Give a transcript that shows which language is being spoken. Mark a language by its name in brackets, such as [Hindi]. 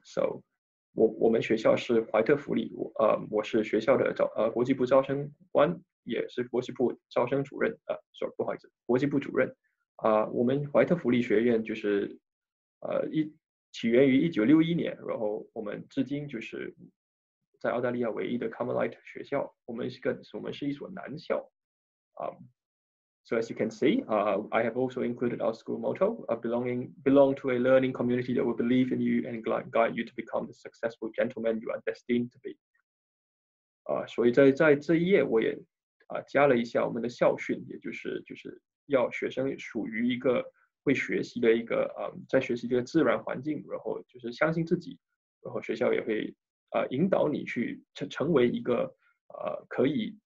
[Chinese] So, 我们学校是怀特福利，我是学校的国际部招生官，也是国际部招生主任，不好意思，国际部主任。我们怀特福利学院就是起源于1961年，然后我们至今就是在澳大利亚唯一的 Carmelite 学校，我们是一所男校。 [English] So as you can see, I have also included our school motto, belong to a learning community that will believe in you and guide you to become the successful gentleman you are destined to be. [Chinese] 所以在这一页我也加了一下我们的校训，也就是要学生属于一个会学习的一个在学习这个自然环境，然后就是相信自己，然后学校也会引导你去成为一个可以。